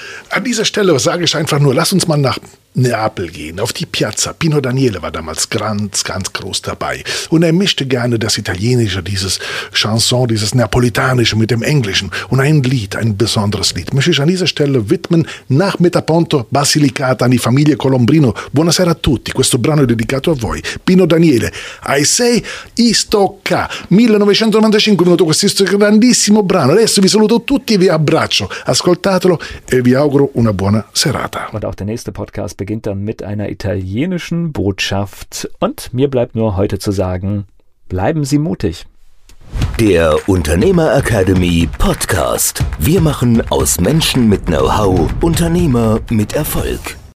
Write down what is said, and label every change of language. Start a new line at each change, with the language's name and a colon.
German: An dieser Stelle sage ich einfach nur, lass uns mal nach Neapel gehen, auf die Piazza. Pino Daniele war damals ganz, ganz groß dabei. Und er mischte gerne das Italienische, dieses Chanson, dieses Neapolitanische mit dem Englischen. Und ein Lied, ein besonderes Lied, möchte ich an dieser Stelle widmen. Nach Metaponto, Basilicata, an die Familie Colombrino.
Italian: Buonasera a tutti, questo brano è dedicato a voi. Pino Daniele, I say, I sto qua. 1995 è venuto questo grandissimo brano. Adesso vi saluto tutti, vi abbraccio. Ascoltatelo e vi auguro una buona serata.
German: Und auch der nächste Podcast beginnt dann mit einer italienischen Botschaft. Und mir bleibt nur heute zu sagen, bleiben Sie mutig. Der Unternehmer Academy Podcast. Wir machen aus Menschen mit Know-how Unternehmer mit Erfolg.